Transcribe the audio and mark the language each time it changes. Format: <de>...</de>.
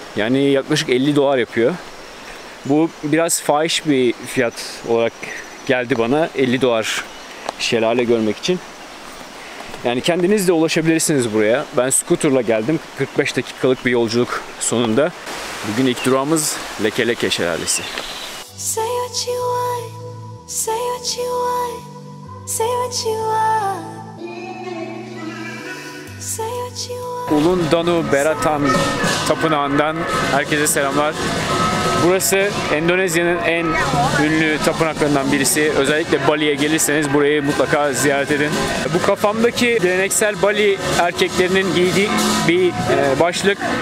<tr>Yani yaklaşık 50 dolar yapıyor. Bu biraz fahiş bir fiyat olarak geldi bana, 50 dolar şelale görmek için. Yani kendiniz de ulaşabilirsiniz buraya. Ben scooterla geldim, 45 dakikalık bir yolculuk sonunda. Bugün ilk durağımız Leke Leke Şelalesi.</tr> <en>Say what you want, say what you want, say what you want, say what you want.</en> <tr>Ulun Danu Beratan Tapınağı'ndan herkese selamlar. Burası Endonezya'nın en ünlü tapınaklarından birisi. Özellikle Bali'ye gelirseniz burayı mutlaka ziyaret edin. Bu kafamdaki geleneksel Bali erkeklerinin giydiği bir başlık.</tr>